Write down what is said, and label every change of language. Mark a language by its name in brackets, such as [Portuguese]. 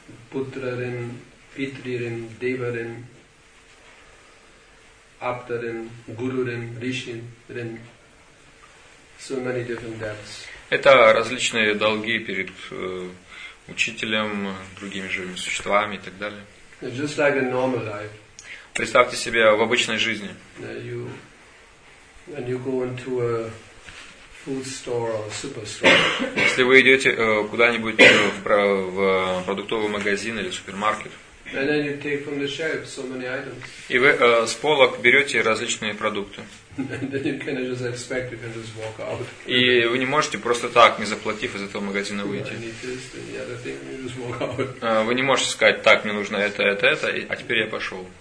[Sanskrit] Путрарин, питририн, деварин, аптарин, гурурин, риширин. [English] So many different debts. [Russian] Это различные долги перед учителем, другими живыми существами и так далее. [English] Just like a normal life. [Russian] Представьте себе в обычной жизни. [English] When you go into a food store or superstore. [Russian] Если вы идете куда-нибудь в продуктовый магазин или супермаркет. [English] And then you take from the shelf so many items. [Russian] И вы с полок берете различные продукты. [English] Then you can just expect you can just walk out. [Russian] И вы не можете просто так, не заплатив, из этого магазина выйти. [English] This, just walk out. [Russian] Вы не можете сказать: так, мне нужно это, а теперь я пошел.